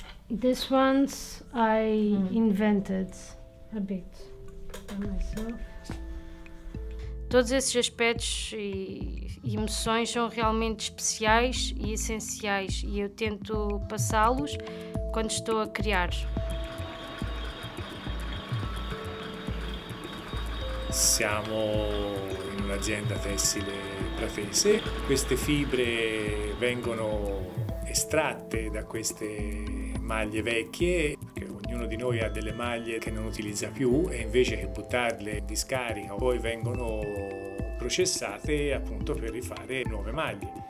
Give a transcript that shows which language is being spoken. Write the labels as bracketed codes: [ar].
[en] These ones I invented a bit by myself. [pt] Todos esses aspectos e emoções são realmente especiais e essenciais, e eu tento passá-los quando estou a criar. [it] Siamo in un'azienda tessile pratese. Queste fibre vengono estratte da queste maglie vecchie, perché ognuno di noi ha delle maglie che non utilizza più e invece che buttarle in discarica poi vengono processate appunto per rifare nuove maglie.